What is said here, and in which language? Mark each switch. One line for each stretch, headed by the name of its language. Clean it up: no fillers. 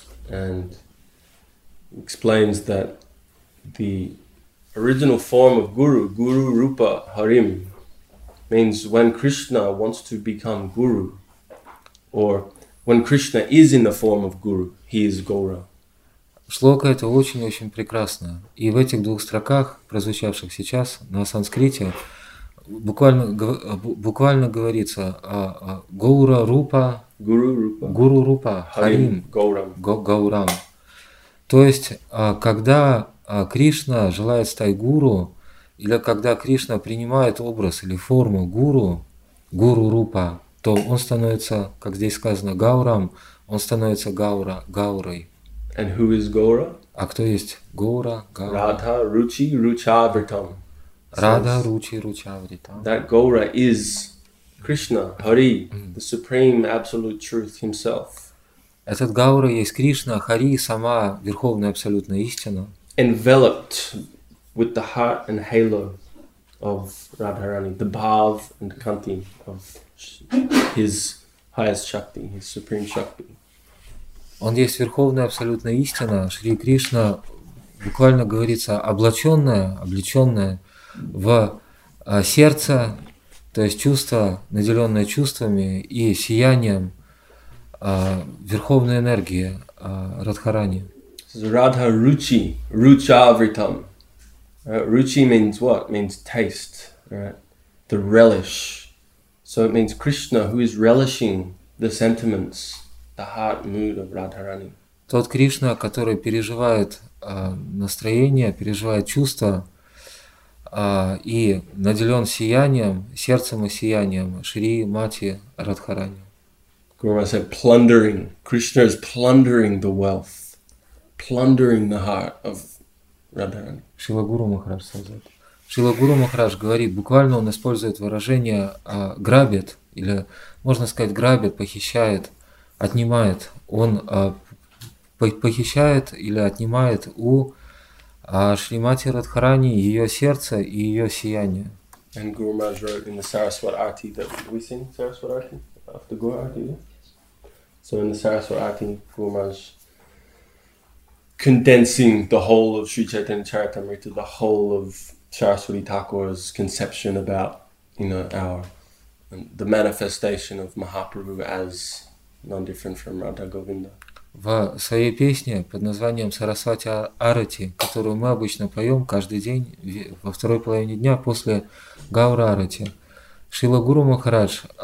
English: And explains that the original form of Guru, Guru Rupa Harim, means when Krishna wants to become Guru, or when Krishna is in the form of Guru, he is Gaura.
Russian: Шлока это очень-очень прекрасно. И в этих двух строках, прозвучавших сейчас на санскрите, буквально говорится Гаура Рупа,
Sanskrit: Guru Rupa, Guru Rupa Harim, Gauram.
Russian: Гаурам. То есть, когда Кришна желает стать гуру, или когда Кришна принимает образ или форму гуру, гуру рупа, то он становится, как здесь сказано, гаурам, он становится гаурой.
English: And who is Gaura?
Russian: А кто есть гаура?
Sanskrit: Radha Ruchi Ruchavritam. Radha Ruchi Ruchavritam.
English: That Gaura is Krishna, Hari, the supreme absolute truth himself.
Russian: Этот гаура есть Кришна, Хари, сама верховная абсолютная истина.
English: Enveloped with the heart and halo of Radharani, the bhav and kanti of his highest shakti, his supreme shakti.
Russian: Он есть верховная абсолютная истина, Шри Кришна, буквально говорится, облечённая в сердце, то есть чувство, наделённое чувствами и сиянием верховной энергии Радхарани.
English: Radha Ruchi, Ruchavritam. Ruchi means what? It means taste, right? The relish. So it means Krishna who is relishing the sentiments, the heart mood of Radharani.
Russian: Тот Кришна, который переживает настроение, переживает чувства и наделен сиянием, сердцем и сиянием Шри Мати Радхарани.
English: Guru Maharaj said, plundering. Krishna is plundering the wealth, plundering the heart of Radharani.
Russian: Шрила Гуру Махарадж сказал. Шрила Гуру Махарадж говорит, буквально он использует выражение грабит, или можно сказать грабит, похищает, отнимает. Он похищает или отнимает у Шримати Радхарани ее сердце и ее сияние.
English: And Guru Maharaj wrote in the Saraswat Arti that we sing Saraswat Arti after Guru Arti. So in the Saraswati, Guru Maharaj condensing the whole of Sri Chaitanya Charitamrita, the whole of Saraswati Thakur's conception about, you know, the manifestation of Mahaprabhu as non-different from Radha Govinda.
Russian: В своей песне под названием Сарасвати Арати, которую мы обычно поем каждый день во второй половине дня после Гаура Арати, Шрила Гуру Махарадж